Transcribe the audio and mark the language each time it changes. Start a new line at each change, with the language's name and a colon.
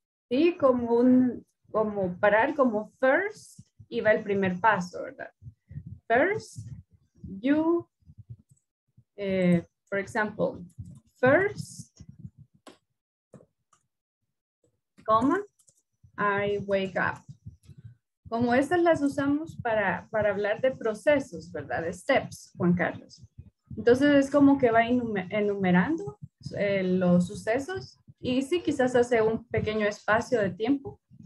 Spanish: Sí, como un, como parar, como first, y va el primer paso, ¿verdad?
English: First, you, for example, first, comma, I wake up.
Spanish: Como estas las usamos para hablar de procesos, ¿verdad? De steps, Juan Carlos. Entonces es como que va enumerando los sucesos. Y sí, quizás hace un pequeño espacio de tiempo.